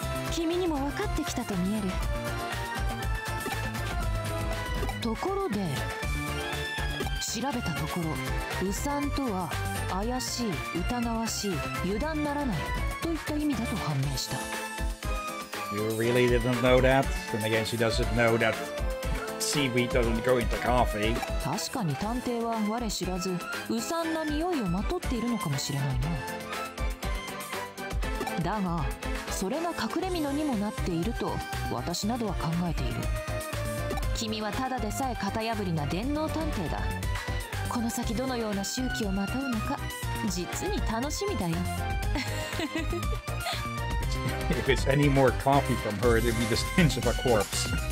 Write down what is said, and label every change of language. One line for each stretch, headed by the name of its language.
Japanese: 君にも分かってきたと見える。ところで調べたところ、胡散とは怪しい、疑わしい、油断ならないといった意味だと判明した。
English: You really didn't know that? Then again, she doesn't know thatSeaweed doesn't go into coffee.
Japanese: 確かに探偵は我知らず、うさんな匂いをまとっているのかもしれないな。だが、それが隠れ蓑にもなっていると私などは考えている。君はただでさえ型破りな電脳探偵だ。この先どのような周期をまとうのか実に楽しみだよ。
English: If it's any more coffee from her, it'd be the stench of a corpse.